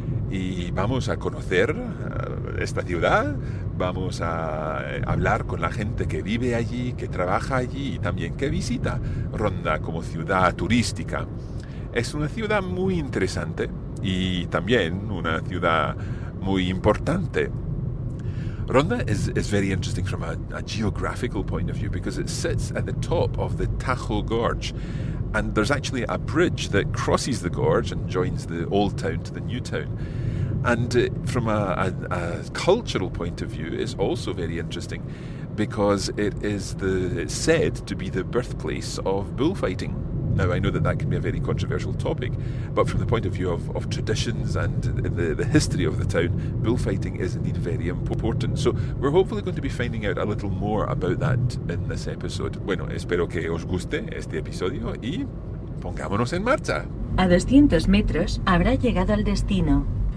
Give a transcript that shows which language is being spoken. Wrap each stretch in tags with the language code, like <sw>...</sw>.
<es>Y vamos a conocer esta ciudad, vamos a hablar con la gente que vive allí, que trabaja allí y también que visita Ronda como ciudad turística. Es una ciudad muy interesante y también una ciudad muy importante.</es> <en>Ronda is very interesting from a geographical point of view because it sits at the top of the Tajo Gorge. And there's actually a bridge that crosses the gorge and joins the old town to the new town. And from a cultural point of view, it's also very interesting because it's said to be the birthplace of bullfighting. Now, I know that that can be a very controversial topic, but from the point of view of traditions and the history of the town, bullfighting is indeed very important. So we're hopefully going to be finding out a little more about that in this episode.</en> <es>Bueno, espero que os guste este episodio y pongámonos en marcha. A 200 metros habrá llegado al destino.</es>